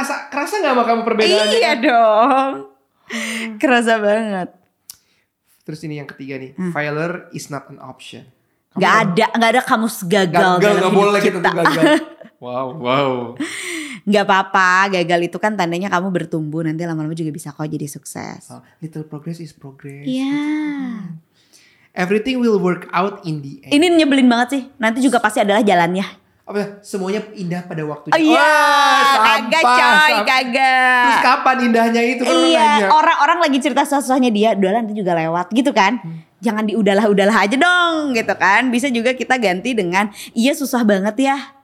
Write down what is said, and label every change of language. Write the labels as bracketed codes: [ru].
[id] Kerasa gak sama kamu perbedaannya? Iya dong. Kerasa banget. Terus ini yang ketiga nih. [en] Failure is not an option. [id] Gak ada kamus gagal. Gak boleh kita gagal. Wow. Gak apa-apa, gagal itu kan tandanya kamu bertumbuh. Nanti lama-lama juga bisa kok jadi sukses. [en] Little progress is progress. [id] Iya. [en] Everything will work out in the end. [id] Ini nyebelin banget sih. Nanti juga pasti adalah jalannya. Apa semuanya indah pada waktunya. Iya, kagak coy, kagak. Terus kapan indahnya itu? Iya, orang-orang lagi cerita susahnya dia, udah nanti juga lewat gitu kan. Jangan di udahlah aja dong gitu kan. Bisa juga kita ganti dengan iya susah banget ya.